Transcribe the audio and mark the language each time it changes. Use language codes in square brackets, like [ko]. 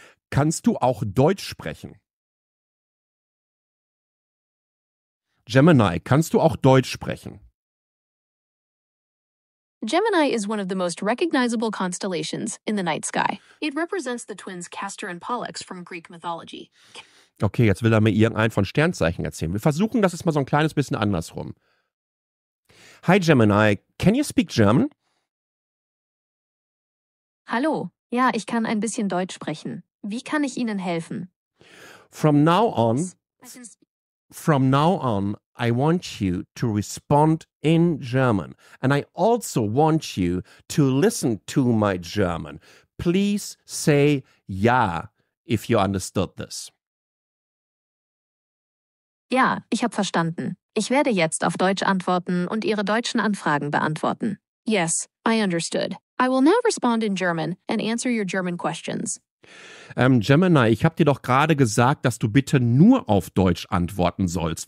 [de] Kannst du auch Deutsch sprechen? Gemini, kannst du auch Deutsch sprechen? [en] Gemini is one of the most recognizable constellations in the night sky. It represents the twins Castor and Pollux from Greek mythology. [de] Okay, jetzt will er mir irgendein von Sternzeichen erzählen. Wir versuchen das jetzt mal so ein kleines bisschen andersrum. [en] Hi Gemini, can you speak German? [de] Hallo, ja, ich kann ein bisschen Deutsch sprechen. Wie kann ich Ihnen helfen? [en] From now on, I want you to respond in German. And I also want you to listen to my German. Please say ja, if you understood this. [de] Ja, ich habe verstanden. Ich werde jetzt auf Deutsch antworten und Ihre deutschen Anfragen beantworten. [en] Yes, I understood. I will now respond in German and answer your German questions. [de] Gemini, ich habe dir doch gerade gesagt, dass du bitte nur auf Deutsch antworten sollst.